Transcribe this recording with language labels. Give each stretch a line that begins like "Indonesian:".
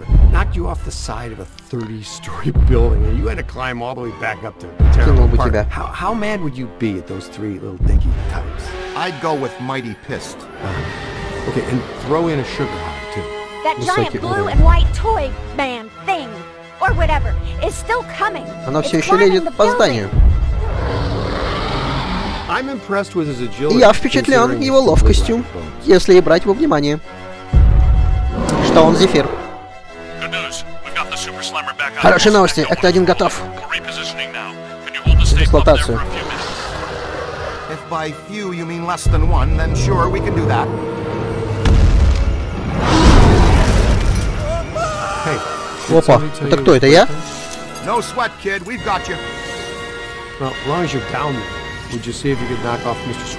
English: Knocked you off the side of a 30-story building, and you had to climb all the way back up to Terrible Park. How mad would you be at those three little dinky types? I'd go with mighty pissed. Okay, and throw in a sugar high, too. That giant blue and white toy man thing, or whatever, is still coming.
Russian: Она все еще лезет по зданию.
English: I'm impressed with his agility.
Russian: Я впечатлен его ловкостью, если и брать во внимание, что он Зефир. Хорошие новости, Экта-1 готов. Эксплуатацию.
English: If by few you mean less than one, then sure, we can do that. Hey,
Russian: опа, это кто, это я?
English: No sweat, kid, we've got you. Well, as long as you're down there, would you see if you could knock off Mr.